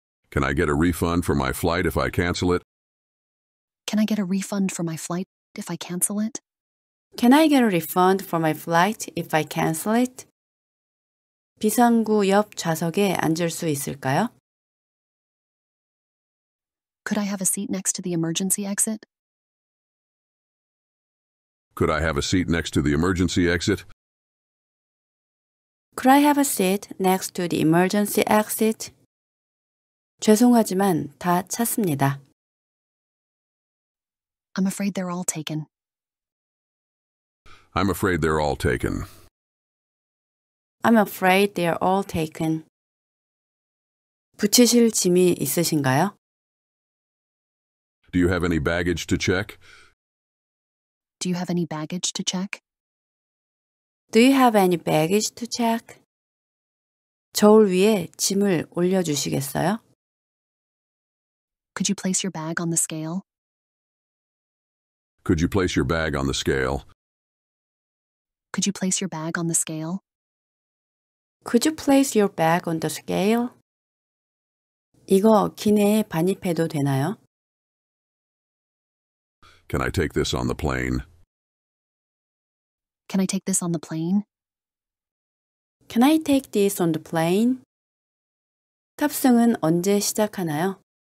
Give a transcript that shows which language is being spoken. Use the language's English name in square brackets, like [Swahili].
[English] Can I get a refund for my flight if I cancel it? Can I get a refund for my flight if I cancel it? Can I get a refund for my flight if I cancel it? [Korean] 비상구 옆 좌석에 앉을 수 있을까요? [English] Could I have a seat next to the emergency exit? Could I have a seat next to the emergency exit? Could I have a seat next to the emergency exit? [Korean] 죄송하지만 다 찼습니다. [English] I'm afraid they're all taken. I'm afraid they're all taken. I'm afraid they're all taken. [Korean] 붙이실 짐이 있으신가요? [English] Do you have any baggage to check? Do you have any baggage to check? Do you have any baggage to check? [Korean] 저울 위에 짐을 올려주시겠어요? [English] Could you place your bag on the scale? Could you place your bag on the scale? Could you place your bag on the scale? Could you place your bag on the scale? [Korean] 이거 기내에 반입해도 되나요? [English] Can I take this on the plane? Can I take this on the plane? Can I take this on the plane? [Korean] 탑승은 언제 시작하나요?